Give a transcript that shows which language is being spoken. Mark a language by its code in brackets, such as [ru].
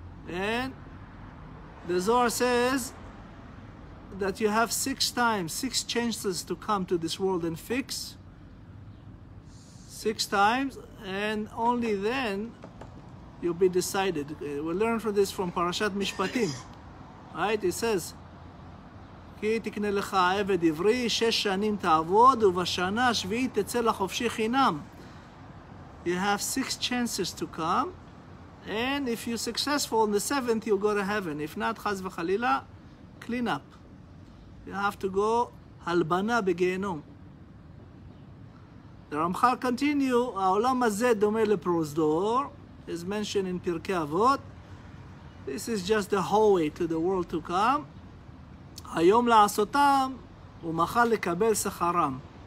[en] And the Zohar says that you have six times, six chances to come to this world and fix. Six times, and only then you'll be decided. We learn from this from Parashat Mishpatim. Right? It says, [he] כי תקנה לך עבד עברי, שש שנים תעבוד, ובשנה השביעית תצא לחופשי חינם. [en] You have six chances to come, and if you're successful in the seventh, you'll go to heaven. If not, חס וחלילה, clean up. You have to go [he] הלבנה בגיהנום. [en] The Ramchal continue, [he] העולם הזה דומה לפרוסדור, [en] is mentioned in Pirkei Avot. This is just the hallway to the world to come. [he] היום לעשותם ומחר לקבל שכרם.